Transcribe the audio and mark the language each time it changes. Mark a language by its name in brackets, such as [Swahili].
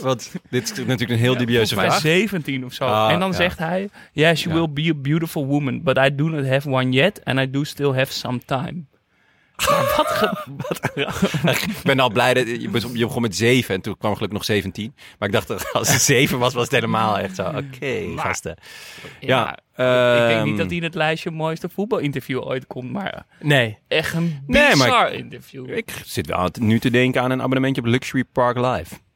[Dutch] Want dit is natuurlijk een heel dubieuze vraag. 17 of zo. En dan zegt hij... [English] Yes, you will be a beautiful woman. But I do not have one yet. And I do still have some time. [Dutch] Wat ik ben al blij dat... Je begon met 7 en toen kwam gelukkig nog 17. Maar ik dacht dat als het 7 was, was het helemaal echt zo. Oké, gasten. Ja. Ik denk niet dat hij in het lijstje mooiste voetbalinterview ooit komt, maar... Nee. Echt een bizar interview. Ik zit wel nu te denken aan een abonnementje op Luxury Park Live.